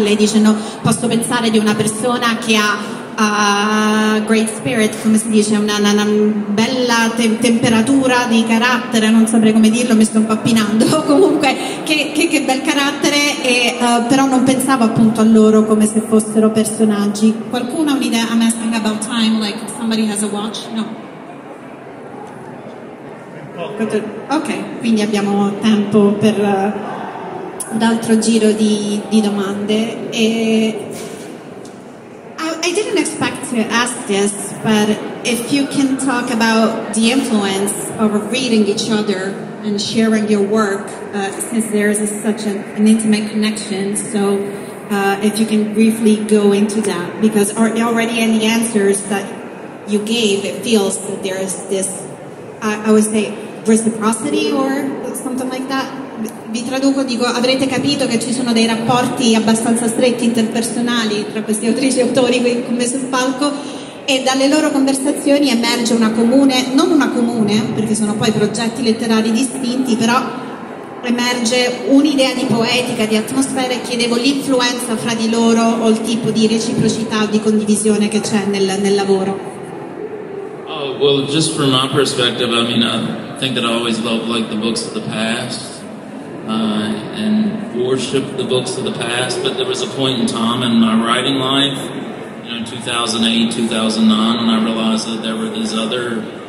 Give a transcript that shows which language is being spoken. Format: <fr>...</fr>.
<it>Lei dice: no, posso pensare di una persona che ha</it> <en>great spirit,</en> <it>come si dice, una bella temperatura di carattere, non saprei come dirlo, mi sto impappinando, comunque che bel carattere, e, però non pensavo appunto a loro come se fossero personaggi. Qualcuno ha un'idea?</it> <en>I'm asking about time, like somebody has a watch? No.</en> <it>Ok, quindi abbiamo tempo per un altro giro di domande.</it> <en>E I didn't expect to ask this, but if you can talk about the influence of reading each other and sharing your work, since there is such an intimate connection, so if you can briefly go into that, because already in the answers that you gave, it feels that there is this, I would say, reciprocity or something like that.</en> <it>Vi traduco, dico, avrete capito che ci sono dei rapporti abbastanza stretti, interpersonali, tra questi autrici e autori qui con me sul palco, e dalle loro conversazioni emerge una comune, non una comune, perché sono poi progetti letterari distinti, però emerge un'idea di poetica, di atmosfera, e chiedevo l'influenza fra di loro o il tipo di reciprocità o di condivisione che c'è nel lavoro.</it> <en>Oh, well, just from my perspective, I mean, I think that I always loved, like, the books of the past. And worship the books of the past, but there was a point in time in my writing life, you know, 2008, 2009, when I realized that there were these other</en>